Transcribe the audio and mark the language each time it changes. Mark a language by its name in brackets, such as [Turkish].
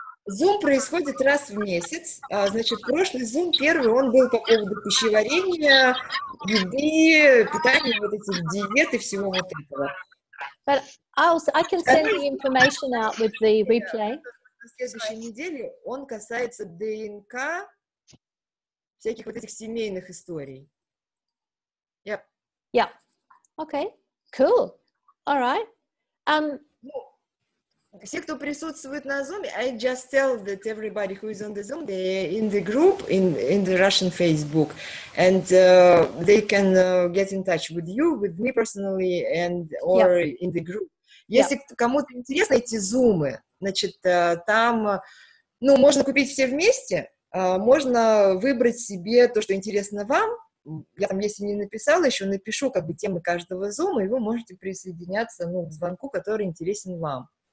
[Russian] Zoom происходит раз в месяц. Значит, прошлый Zoom, первый, он был по поводу пищеварения, еды, питания, вот этих диет и всего вот этого. [English] But I can send the information out with the replay. [Russian] На следующей неделе он касается ДНК, всяких вот этих семейных историй. [English] Yep. Yeah. Okay. Cool. All right. [Russian] Все, кто присутствует на Zoom, [English] I just tell that everybody who is on the Zoom, they're in the group, in the Russian Facebook, and they can get in touch with you, with me personally, and or in the group. [Russian] Если кому-то интересно эти зумы, значит, там, ну, можно купить все вместе, можно выбрать себе то, что интересно вам. Я там, если не написала, еще напишу как бы темы каждого зума, и вы можете присоединяться, ну, к звонку, который интересен вам.